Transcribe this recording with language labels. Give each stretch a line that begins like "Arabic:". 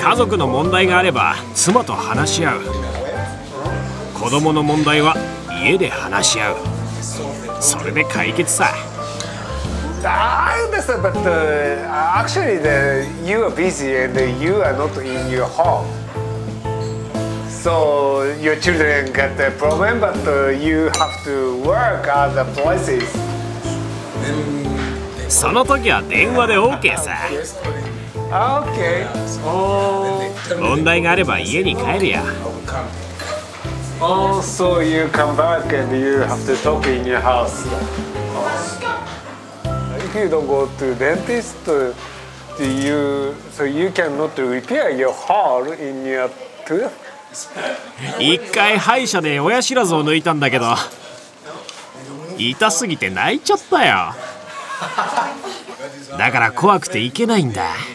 Japanese: 家族の問題があれば妻と話し合う。子供の問題は家で話し合う。それで解決さ。
English: I understand, but actually the, you are busy and you are not in your home. So your children get the problem, but you have to work at the places.
Japanese: その時は電話で OK さ。
English: OK。
Japanese: 問題があれば家に帰るや。
English: Oh, so you come back and you have to talk in your house. If you don't go to dentist, do you, so you cannot repair your hole in your tooth?
Japanese: 一回歯医者で親知らずを抜いたんだけど痛すぎて泣いちゃったよ。だから怖くて行けないんだ。